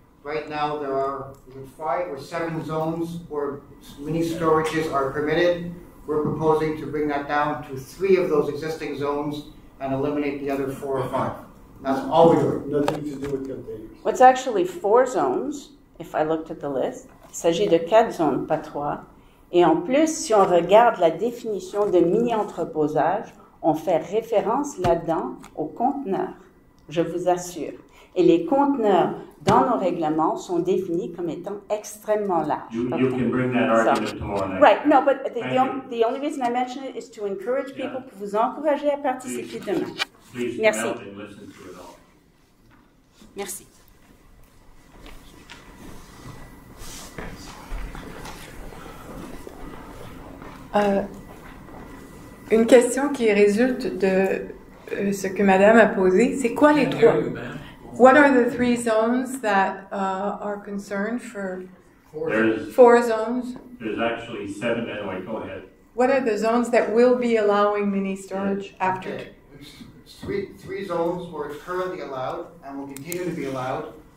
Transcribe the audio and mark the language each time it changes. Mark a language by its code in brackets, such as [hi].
[en] Right now, there are five or seven zones where mini storages are permitted. We're proposing to bring that down to three of those existing zones and eliminate the other four or five. That's all we're doing. Nothing to do with containers. What's actually four zones, if I looked at the list? [fr] Il s'agit de quatre zones, pas trois. Et en plus, si on regarde la définition de mini-entreposage, on fait référence là-dedans aux conteneurs, je vous assure. Et les conteneurs dans nos règlements sont définis comme étant extrêmement larges. [en] You, okay. You can bring that argument tomorrow. Right, no, but the only reason I mention it is to encourage people, yeah, [fr] pour vous encourager à participer [en] please, [fr] demain. [en] Please [fr] merci. [en] And listen to it all. [fr] Merci. Une question qui résulte de ce que Madame a posé, c'est quoi les trois? [en] What are the three zones that are concerned for? Four zones. There's actually seven. Anyway, go ahead. What are the zones that will be allowing mini storage after? Okay. Three zones where it's currently allowed and will continue to be allowed.